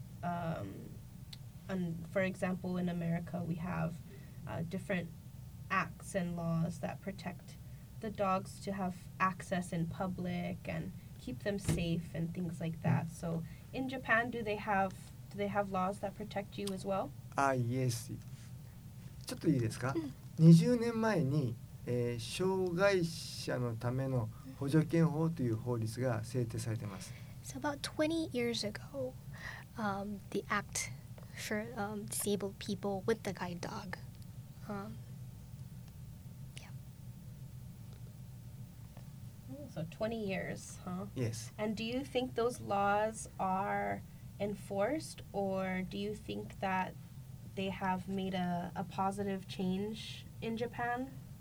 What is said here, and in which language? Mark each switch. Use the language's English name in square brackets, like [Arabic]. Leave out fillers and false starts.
[English] And for example, in America, we have different acts and laws that protect the dogs to have access in public and keep them safe and things like that. So in Japan, do they have laws that protect you as well? Yes. [Japanese] ちょっといいですか?20年前に、障害者のための補助犬法という法律が制定されています。 [English] So about 20 years ago, the act for disabled people with the guide dog. So 20 years, huh? Yes. And do you think those laws are enforced or do you think that they have made a positive change in Japan?